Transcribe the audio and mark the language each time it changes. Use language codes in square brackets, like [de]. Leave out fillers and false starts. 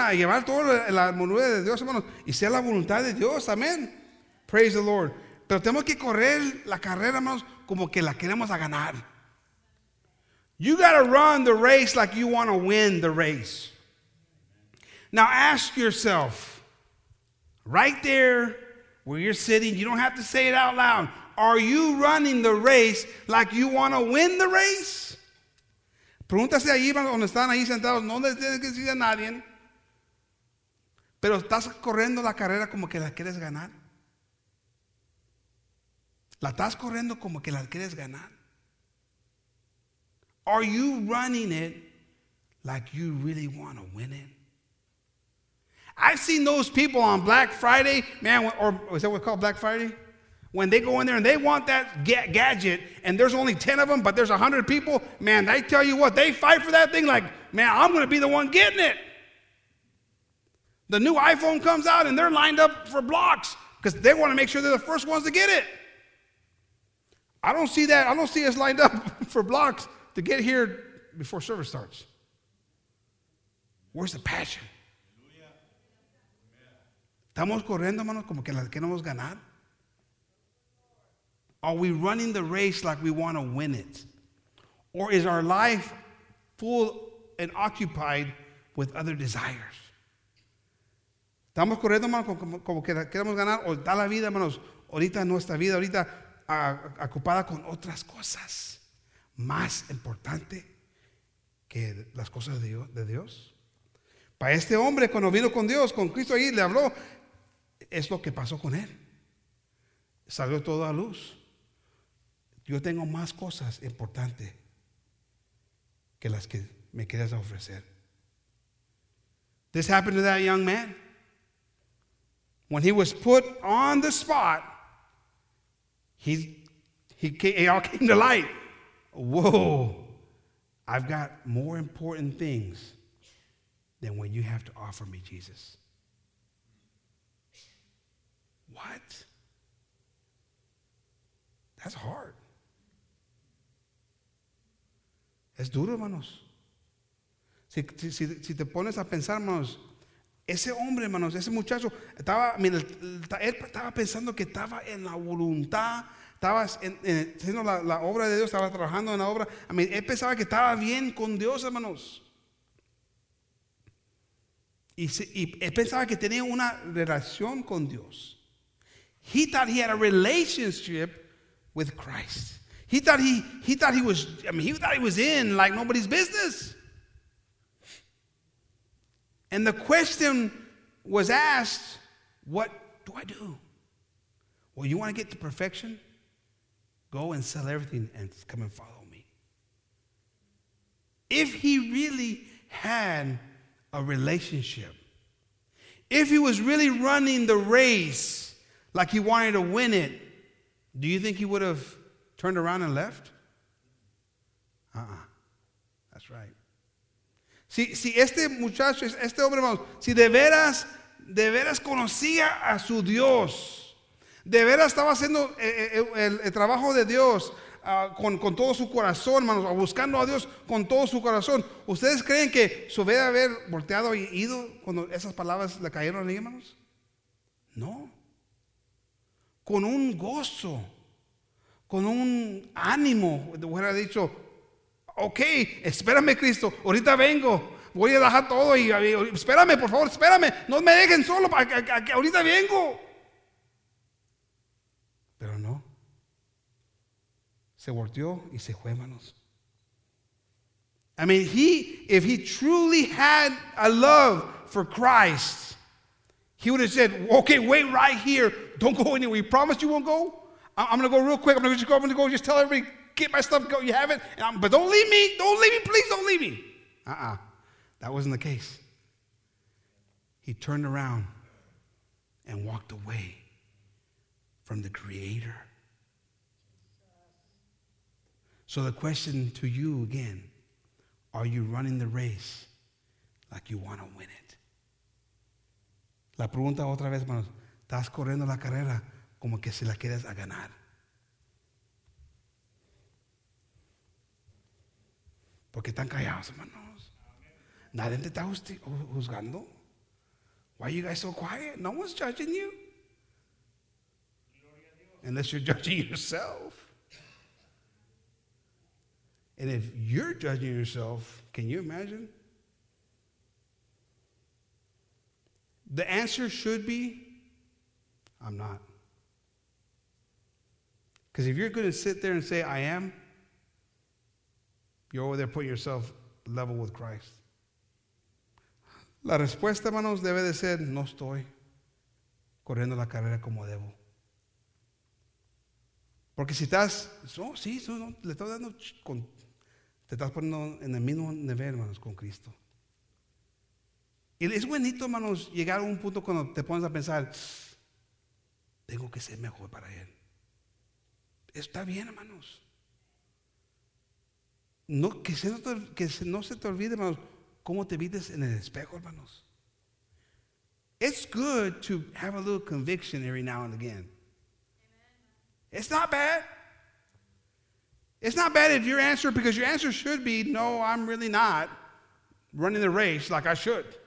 [es] A llevar toda la armadura de Dios, hermanos. Y sea la voluntad de Dios, amen? [en] Praise the Lord. [es] Pero tenemos que correr la carrera, hermanos, como que la queremos a ganar. [en] You got to run the race like you want to win the race. Now ask yourself, right there where you're sitting, you don't have to say it out loud. Are you running the race like you want to win the race? [es] Pregúntase ahí, donde están ahí sentados, no les tienes que decir a nadie. Pero estás corriendo la carrera como que la quieres ganar. La estás corriendo como que la quieres ganar. [en] Are you running it like you really want to win it? I've seen those people on Black Friday, man, or is that what it's called, Black Friday? When they go in there and they want that gadget, and there's only 10 of them, but there's 100 people, man, I tell you what, they fight for that thing like, man, I'm going to be the one getting it. The new iPhone comes out, and they're lined up for blocks because they want to make sure they're the first ones to get it. I don't see that. I don't see us lined up for blocks to get here before service starts. Where's the passion? [es] ¿Estamos corriendo, hermanos, como que la queremos ganar? [en] Are we running the race like we want to win it? Or is our life full and occupied with other desires? [es] ¿Estamos corriendo, hermanos, como que la queremos ganar? ¿O está la vida, hermanos, ahorita nuestra vida, ahorita ocupada con otras cosas? Más importante que las cosas de Dios. Para este hombre, cuando vino con Dios, con Cristo ahí, le habló, es lo que pasó con él. Salió todo a luz. Yo tengo más cosas importantes que las que me quieres ofrecer. [en] This happened to that young man. When he was put on the spot, it all came to light. Whoa, I've got more important things than what you have to offer me, Jesus. What? That's hard. [es] Es duro, hermanos. Si te pones a pensar, hermanos, ese hombre, hermanos, ese muchacho, estaba, mira, él estaba pensando que estaba en la voluntad, estaba haciendo la obra de Dios, estaba trabajando en la obra. [en] I mean, [es] él pensaba que estaba bien con Dios, hermanos. Y él pensaba que tenía una relación con Dios. [en] He thought he had a relationship with Christ. He thought he was in like nobody's business. And the question was asked, what do I do? Well, you want to get to perfection? Go and sell everything and come and follow me. If he really had a relationship, if he was really running the race like he wanted to win it, do you think he would have turned around and left? Uh-uh. That's right. [es] Si este muchacho, este hombre, hermano, si de veras conocía a su Dios, de veras estaba haciendo el trabajo de Dios con todo su corazón, hermano, buscando a Dios con todo su corazón, ¿ustedes creen que se hubiera haber volteado y ido cuando esas palabras le cayeron a él, hermanos? No. Con un gozo, con un ánimo, hubiera dicho, ok, espérame, Cristo, ahorita vengo, voy a dejar todo y espérame, por favor, espérame, no me dejen solo, que ahorita vengo. Pero no, se volteó y se fue, manos. [en] I mean, if he truly had a love for Christ, he would have said, okay, wait right here, don't go anywhere, you promise you won't go? I'm going to go real quick, I'm going to go, just tell everybody, get my stuff, go, you have it, but don't leave me, please don't leave me. Uh-uh, that wasn't the case. He turned around and walked away from the Creator. So the question to you again, are you running the race like you want to win it? [es] La pregunta otra vez, hermanos, ¿estás corriendo la carrera como que si la quieres a ganar? Porque están callados, hermanos. Nadie te está juzgando. [en] Why are you guys so quiet? No one's judging you. Unless you're judging yourself. And if you're judging yourself, can you imagine? The answer should be, I'm not. Because if you're going to sit there and say, I am, you're over there putting yourself level with Christ. [es] La respuesta, hermanos, debe de ser, no estoy corriendo la carrera como debo. Porque si estás, le estás dando, te estás poniendo en el mismo nivel, hermanos, con Cristo. Y es bonito, hermanos, llegar a un punto cuando te pones a pensar, tengo que ser mejor para Él. Está bien, hermanos. No, que no se te olvide, hermanos, cómo te vistes en el espejo, hermanos. [en] It's good to have a little conviction every now and again. Amen. It's not bad. It's not bad if your answer, because your answer should be, no, I'm really not running the race like I should.